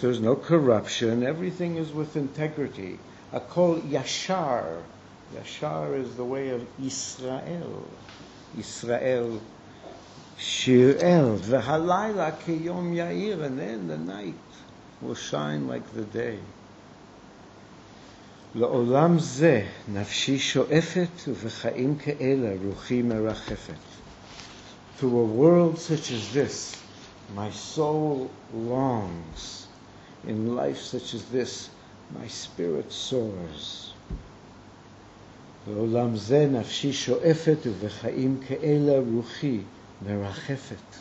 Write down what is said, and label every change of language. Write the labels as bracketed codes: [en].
[en] There's no corruption. Everything is with integrity. [he] Akol yashar. [en] Yashar is the way of Israel. Israel. [he] Shirel. V'halayla keyom yair. [en] And then the night will shine like the day. [he] לעולם זה נפשי שואפת ובחיים כאלה רוחי מרחפת. [en] To a world such as this, my soul longs. In life such as this, my spirit soars. [he] לעולם זה נפשי שואפת ובחיים כאלה רוחי מרחפת.